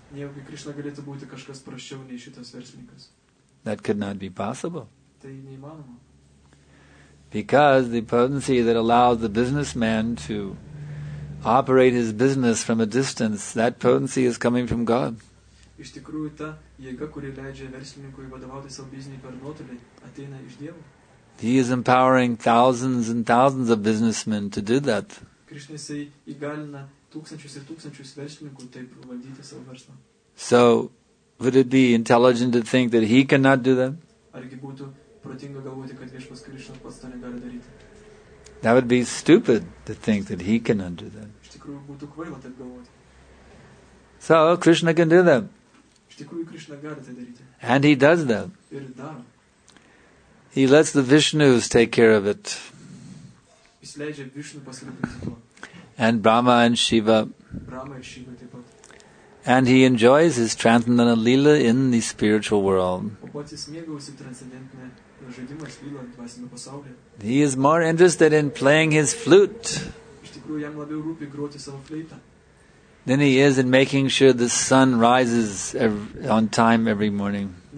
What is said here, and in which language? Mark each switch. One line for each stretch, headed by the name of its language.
English: That could not be possible. Because the potency that allows the businessman to operate his business from a distance, that potency is coming from God.
Lithuanian: Iš tikrųjų, ta jėga, kuri leidžia verslininkui vadovauti savo biznį per nuotolį, ateina iš Dievo.
English: He is empowering thousands and thousands of businessmen to do that.
Lithuanian: Krishna jisai įgalina tūkstančius ir tūkstančius verslininkų taip valdyti savo verslą.
English: So, would it be intelligent to think that he cannot do that?
Lithuanian: Argi būtų protinga galvoti, kad Viešpats Krishna pats to negali daryti?
English: That would be stupid to think that he cannot do that.
Lithuanian: Iš tikrųjų, būtų kvaila taip galvoti.
English: So, Krishna can do them.
Lithuanian: Iš tikrųjų, Krishna gali tai daryti.
English: And he does them.
Lithuanian: Ir daro.
English: He lets the Vishnus take care of it.
Lithuanian: Jis leidžia Vishnu pasirūpinti tuo.
English: And Brahma and Shiva.
Lithuanian: Brahma ir Shiva taip pat.
English: And he enjoys his transcendental lila in the spiritual world.
Lithuanian: O pats jis mėgaujasi transcendentinio žaidimo lila dvasiniame pasaulyje.
English: He is more interested in playing his flute.
Lithuanian: Iš tikrųjų, jam labiau rūpi groti savo fleitą.
English: Then he is in making sure the sun rises on time every morning.